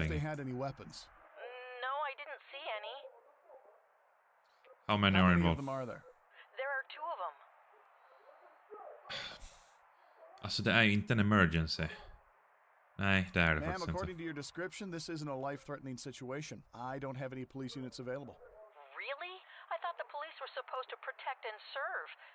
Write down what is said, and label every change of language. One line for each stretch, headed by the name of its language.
English: Did you see if they had any weapons? No, I didn't see any. How many are involved? How many of them are there? There are two of them.
Swedish: Alltså, det är ju inte en emergency. Nej, det är det faktiskt inte.
English: Ma'am, according to your description, this isn't a life-threatening situation. I don't have any police units available. Really? I thought the police were supposed to protect and serve.